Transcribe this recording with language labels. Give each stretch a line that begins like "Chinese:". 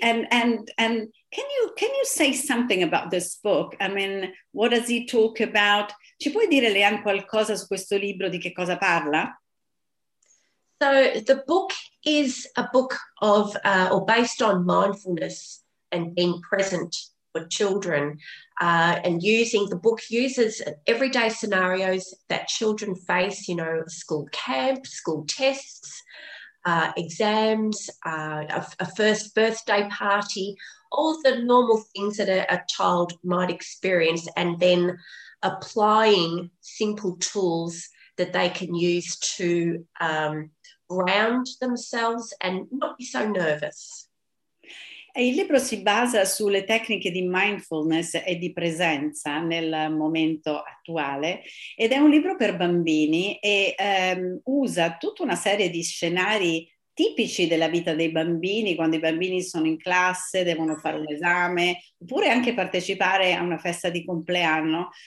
English: And can you say something about this book? I mean, what does he talk about?
Italian: Ci puoi dire, Leanne, qualcosa su questo libro, di che cosa parla?
English: So the book is a book of or based on mindfulness and being present for children, and using the book uses everyday scenarios that children face, you know, school camp, school tests, exams, a first birthday party, all the normal things that a child might experience, and then applying simple tools that they can use to ground themselves and not be so nervous.
Italian: E il libro si basa sulle tecniche di mindfulness e di presenza nel momento attuale, ed è un libro per bambini, e usa tutta una serie di scenari tipici della vita dei bambini, quando i bambini sono in classe, devono fare un esame, oppure anche partecipare a una festa di compleanno,